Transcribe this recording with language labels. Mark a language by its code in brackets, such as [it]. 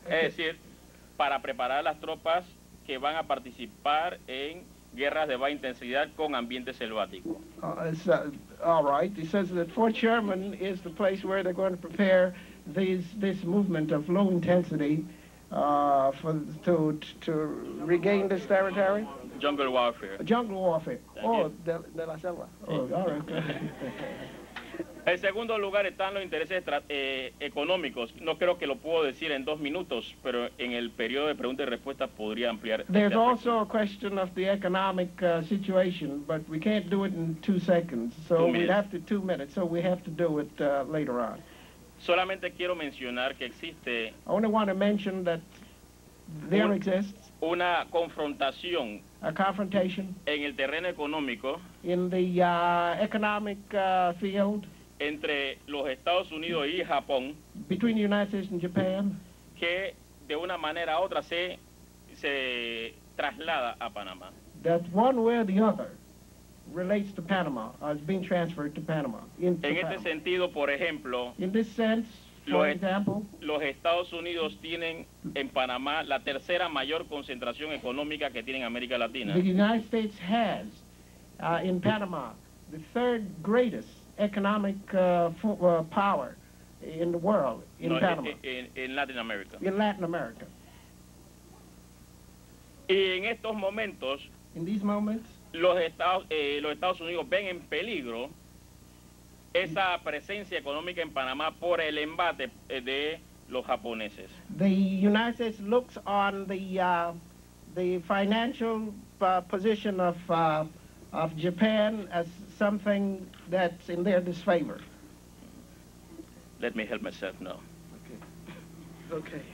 [es] Es decir, para preparar las tropas que van a participar en guerras de baja intensidad con ambiente selvático. [en] All right. He says that Fort Sherman is the place where they're going to prepare this movement of low intensity to regain this territory. Jungle warfare. Jungle warfare. [es] De la selva. [en] Oh, all right. [es] En segundo lugar están los intereses económicos. No creo que lo puedo decir en dos minutos, pero en el periodo de preguntas y respuestas podría ampliar. [en] There's also a question of the economic situation, but we can't do it in 2 seconds. So we'd have to 2 minutes, so we have to do it later on. [es] Solamente quiero mencionar que existe. [en] I only want to mention that there exists. [es] Una confrontación. [en] A confrontation. [es] En el terreno económico. [en] In the economic field. [es] Entre los Estados Unidos y Japón, [en] between the United States and Japan, [es] que de una manera u otra se traslada a Panamá. [en] That one way or the other relates to Panama, or is being transferred to Panama. [es] En este sentido, por ejemplo, [en] in this sense, for example, [es] los Estados Unidos tienen en Panamá la tercera mayor concentración económica que tiene en América Latina. [en] The United States has in Panama the third greatest economic power in the world, in Panama. In Latin America. In Latin America. [es] Y en estos momentos, [en] in these moments, [es] los Estados Unidos ven en peligro esa presencia económica en Panamá por el embate de los japoneses. [en] The United States looks on the financial position of Japan as something that's in their disfavor. Let me help myself now. Okay. Okay.